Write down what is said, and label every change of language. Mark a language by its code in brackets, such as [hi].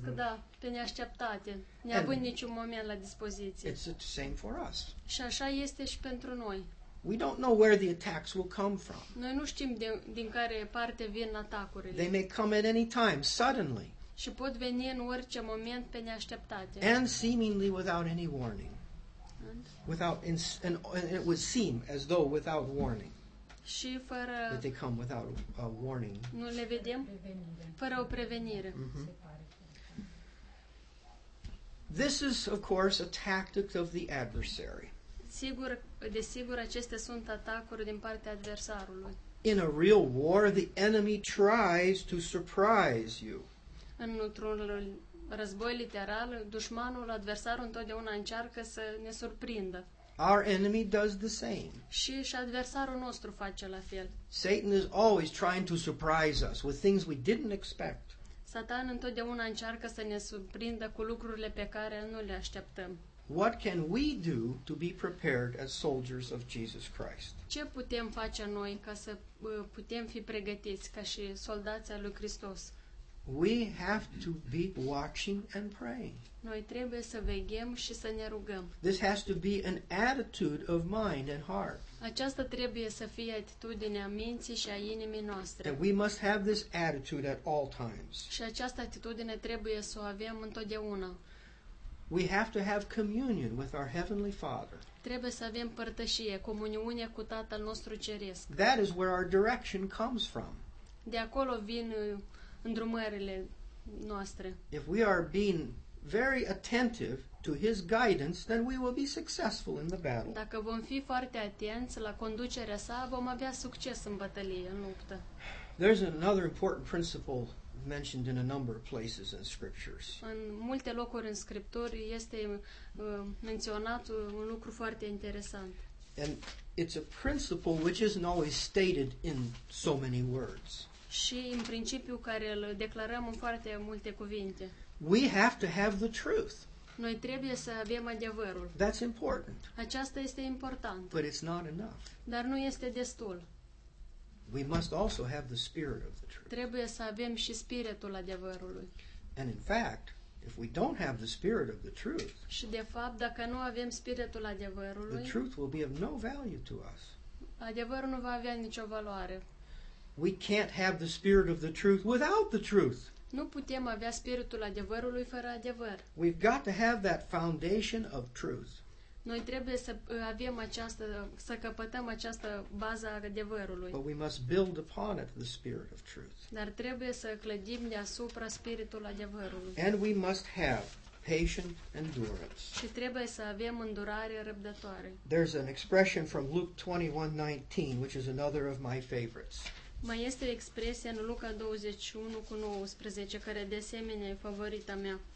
[ro] da, pe neașteptate, neavând niciun moment la dispoziție. [en] It's the same for us. [ro] Și așa este și pentru noi. [en] We don't know where the attacks will come from. [ro] Noi nu știm din care parte vin atacurile. [en] They may come at any time, suddenly. [ro] Și pot veni în orice moment pe neașteptate. [en] And seemingly without any warning. Without and it would seem as though without warning. [ro] Și fără [en] that they come without a warning. [ro] Nu le vedem fără o prevenire. Mm-hmm. [en] This is of course a tactic of the adversary. [ro] Sigur, desigur, acestea sunt atacuri din partea adversarului. [en] In a real war, the enemy tries to surprise you. [ro] Într-un război literal, dușmanul, adversarul întotdeauna încearcă să ne surprindă. [en] Our enemy does the same. [ro] Și adversarul nostru face la fel. [en] Satan is always trying to surprise us with things we didn't expect. [ro] Satan întotdeauna încearcă să ne surprindă cu lucrurile pe care nu le așteptăm. [en] What can we do to be prepared as soldiers of Jesus Christ? [ro] Ce putem face noi ca să putem fi pregătiți ca și soldații lui Hristos? [en] We have to be watching and praying. [ro] Noi trebuie să veghem și să ne rugăm. [en] This has to be an attitude of mind and heart. [ro] Aceasta trebuie să fie atitudinea minții și a inimii noastre. [en] And we must have this attitude at all times. [ro] Și această atitudine trebuie să o avem întotdeauna. [en] We have to have communion with our Heavenly Father. [ro] Trebuie să avem părtășie, comuniune cu Tatăl nostru ceresc. [en] That is where our direction comes from. [ro] De acolo vin îndrumările noastre. [en] If we are being very attentive to his guidance, then we will be successful in the battle. [ro] Dacă vom fi foarte atenți la conducerea sa, vom avea succes în bătălie, în luptă. [en] There's another important principle mentioned in a number of places in scriptures. [ro] În multe locuri în scripturi este menționat un lucru foarte interesant. [en] And it's a principle which isn't always stated in so many words. [ro] Și în principiu care îl declarăm în foarte multe cuvinte. [en] We have to have the truth. [ro] Noi trebuie să avem adevărul. [en] That's important. [ro] Aceasta este important. [en] But it's not enough. [ro] Dar nu este destul. [en] We must also have the spirit of the truth. [ro] Trebuie să avem și spiritul adevărului. [en] And in fact, if we don't have the spirit of the truth, [ro] și de fapt, dacă nu avem spiritul adevărului, [en] the truth will be of no value to us. [ro] Adevărul nu va avea nicio valoare. [en] We can't have the spirit of the truth without the truth. [ro] Nu putem avea spiritul adevărului fără adevăr. [en] We've got to have that foundation of truth. [ro] Noi trebuie să avem această, să căpătăm această bază a adevărului. [en] But we must build upon it the spirit of truth. [ro] Dar trebuie să clădim deasupra spiritul adevărului. [en] And we must have patient endurance. [ro] Și trebuie să avem îndurare răbdătoare. [en] There's an expression from Luke 21:19, which is another of my favorites. [ro] Mai este o expresie în Luca 21:19 care de asemenea e favorita mea.